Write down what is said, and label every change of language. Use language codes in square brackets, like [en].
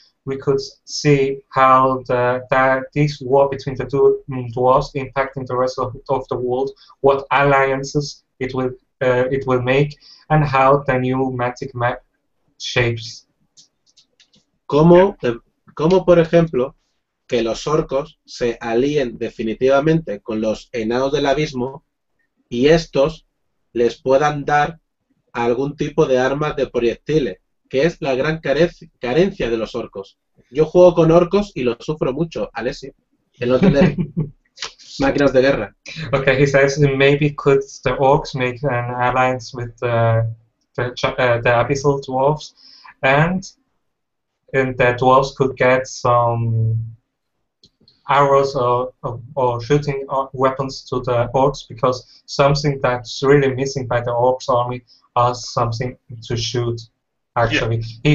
[en] we could see how this war between the two dwarves impacting the rest of the world, what alliances it will make, and how the new magic map shapes. [es] Como por ejemplo, que los orcos se alíen definitivamente con los enanos del abismo y estos les puedan dar algún tipo de armas de proyectiles, que es la gran carencia de los orcos. Yo juego con orcos y lo sufro mucho, Alessio, el no tener máquinas de guerra. [en] Okay, he says maybe could the orcs make an alliance with the abyssal dwarves, and the dwarves could get some arrows or shooting weapons to the orcs, because something that's really missing by the orcs army are something to shoot, actually. Yeah.